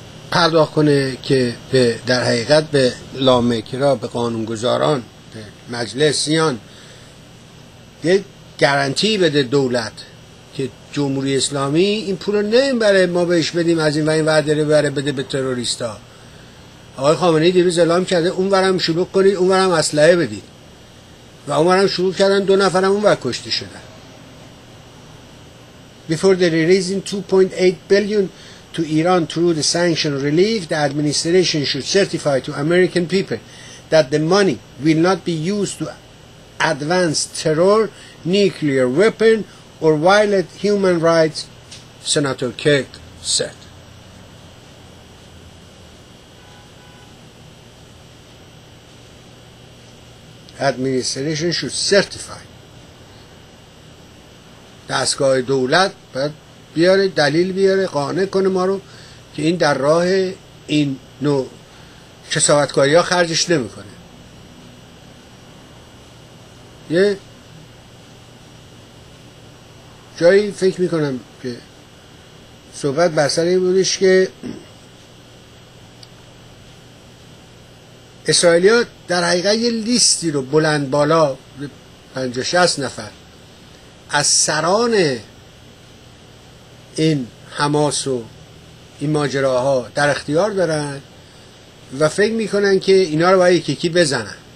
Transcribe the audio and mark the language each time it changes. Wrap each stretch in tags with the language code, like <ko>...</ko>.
<fa>پرداخت کنه که در حقیقت به لامکرا، به قانونگذاران، به مجلسیان یه گارانتی بده دولت که جمهوری اسلامی این پول رو نمی بره ما بهش بدیم از این و این وعده رو بره بده به تروریستا. آقای خامنه‌ای دیروز اعلام کرده اون ورم شروع کنید، اون ورم اسلحه بدید، و اون ورم شروع کردن، 2 نفرم اون ور کشته شدن.</fa> <en>Before the releasing 2.8 billion to Iran through the sanction relief, the administration should certify to American people that the money will not be used to advance terror, nuclear weapon, or violate human rights, Senator Kirk said. Administration should certify.</en> <fa>دستگاه دولت باید بیاره، دلیل بیاره، قانع کنه ما رو که این در راه این نوع کسافتکاری ها خرجش نمی کنه. یه جایی فکر می کنم که صحبت بر سر این بودش که اسرائیلی ها در حقیقت یه لیستی رو بلند بالا 50-60 نفر از سران این حماس و این ماجراها در اختیار دارن و فکر میکنن که اینا رو باید یکی بزنن</fa>